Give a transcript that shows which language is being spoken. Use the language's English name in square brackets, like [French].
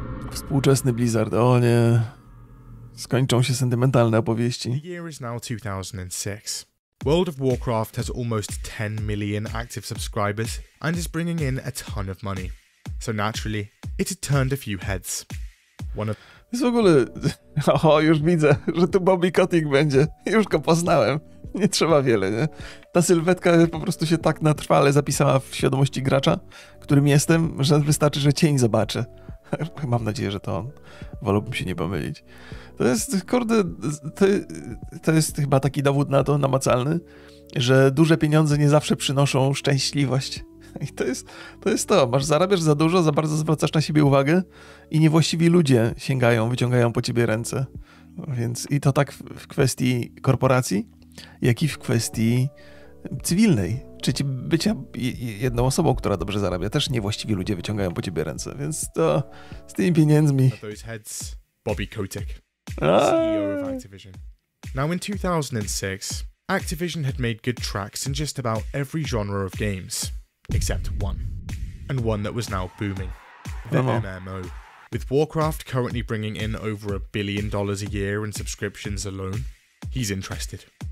[Polish] Współczesny Blizzard, o nie. Skończą się sentymentalne opowieści. [English] The year is now 2006. World of Warcraft has almost 10 million active subscribers and is bringing in a ton of money. So naturally, it had turned a few heads. [Polish] W ogóle, o, już widzę, że tu Bobby Kotick będzie. Już go poznałem. Nie trzeba wiele, nie? Ta sylwetka po prostu się tak na trwale zapisała w świadomości gracza, którym jestem, że wystarczy, że cień zobaczę. Mam nadzieję, że to on. Wolałbym się nie pomylić. To jest, kurde, to jest chyba taki dowód na to, namacalny, że duże pieniądze nie zawsze przynoszą szczęśliwość. I to jest to. Masz, zarabiasz za dużo, za bardzo zwracasz na siebie uwagę i niewłaściwi ludzie sięgają, wyciągają po ciebie ręce. Więc i to tak w kwestii korporacji, jak i w kwestii cywilnej. Czy bycia jedną osobą, która dobrze zarabia, też niewłaściwi ludzie wyciągają po ciebie ręce, więc to z tymi pieniędzmi. [English] Bobby Kotick, CEO of Activision. Now in 2006, Activision had made good tracks in just about every genre of games, except one. And one that was now booming. The MMO. With Warcraft currently bringing in over $1 billion a year in subscriptions alone, he's interested.